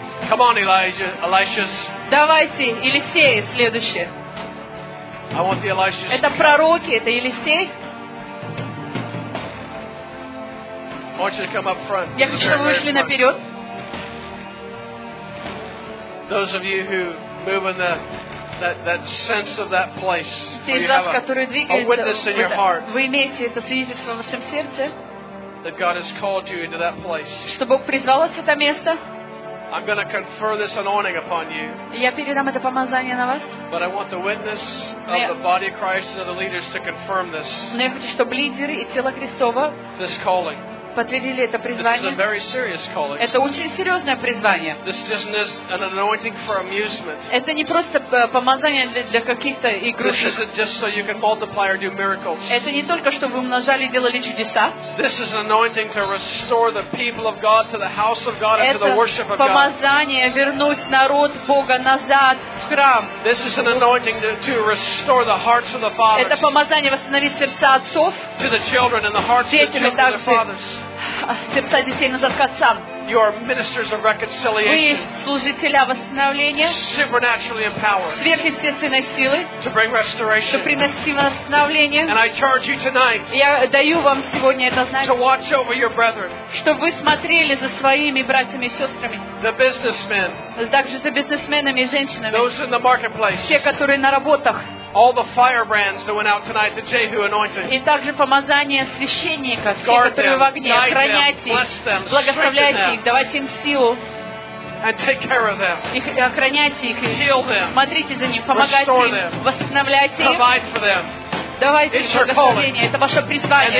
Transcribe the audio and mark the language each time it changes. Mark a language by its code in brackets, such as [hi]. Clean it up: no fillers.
[ru] Давайте, Елисей, следующее. [en] I want the Elisha's... [ru] Это пророки, это Елисей. [en] I want you to come up front. [ru] Я хочу, чтобы вы вышли наперед. [en] Those of you who move in the, that sense of that place, [ru] те из вас, которые двигаются, вы имеете это свидетельство в вашем сердце, [en] that God has called you into that place. [ru] Что Бог призвал вас в это место. [en] I'm going to confer this anointing upon you. [ru] Я передам это помазание на вас. [en] But I want the witness of the body of Christ and of the leaders to confirm this. [ru] Но я хочу, чтобы лидеры и тело Христово [en] this calling. [ru] Подтвердили это призвание. [en] This is a very serious calling. [ru] Это очень серьезное призвание. [en] This isn't just an anointing for amusement. [ru] Это не просто помазание для каких-то игрушек. [en] This isn't just so you can multiply or do miracles. [ru] Это не только чтобы умножали и делали чудеса. [en] This is an anointing to restore the people of God to the house of God and to the worship of God. [ru] Это помазание вернуть народ Бога назад в храм. [en] This is an anointing to restore the hearts of the fathers. [ru] Это помазание восстановить сердца отцов. [en] To the children and the hearts of the fathers. [ru] Сердца детей назад к отцам. [en] You are ministers of reconciliation. [ru] Вы служители восстановления. [en] Supernaturally empowered. [ru] Сверхъестественной силы. [en] To bring restoration. [ru] Чтобы принести восстановление. [en] And I charge you tonight. [ru] Я даю вам сегодня это знание. [en] To watch over your brethren. [ru] Чтобы вы смотрели за своими братьями и сестрами. [en] The businessmen. [ru] Также за бизнесменами и женщинами. [en] Those in the marketplace. [ru] Те, которые на работах. [en] All the firebrands that went out tonight, the Jehu anointed. [ru] И также помазание священников, которые в огне, охраняйте их, благословляйте их, давайте им силу. [en] And take care of them. [ru] И охраняйте их, [en] heal them. [ru] Смотрите за них, помогайте [en] restore [ru] им, [en] them. [ru] Восстановляйте их. [en] Provide for them. [ru] Давайте [en] it's [ru] благословение. Это ваше призвание.